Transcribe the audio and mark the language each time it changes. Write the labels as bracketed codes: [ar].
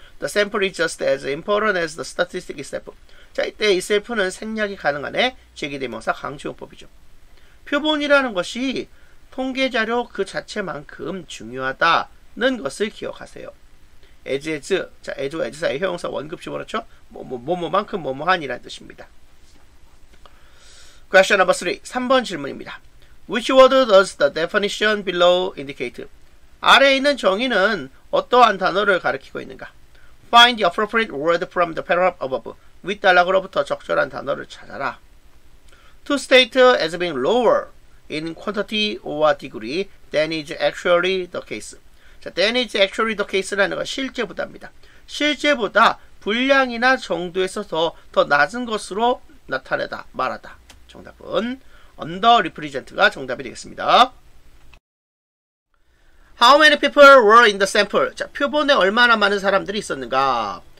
[en] The sample is just as important as the statistic itself. [ko] 자, 이때 itself는 생략이 가능하네. 제기대명사 강조용법이죠. 표본이라는 것이 통계 자료 그 자체만큼 중요하다는 것을 기억하세요. as, 자, as, as 사이 형용사 원급식 그렇죠? 뭐뭐만큼 뭐뭐한이라는 뜻입니다. [en] Question number 3. [ko] 3번 질문입니다. [en] Which word does the definition below indicate? [ko] 아래에 있는 정의는 어떠한 단어를 가리키고 있는가? [en] Find the appropriate word from the paragraph above. [ko] 윗단락으로부터 적절한 단어를 찾아라. [en] To state as being lower in quantity or degree than is actually the case. [ko] 자, [en] than is actually the case [ko] 라는 건 실제보다입니다. 실제보다 분량이나 정도에서 더 낮은 것으로 나타내다, 말하다. 정답은 underrepresent가 정답이 되겠습니다. [en] How many people were in the sample? [ko] 자, 표본에 얼마나 많은 사람들이 있었는가?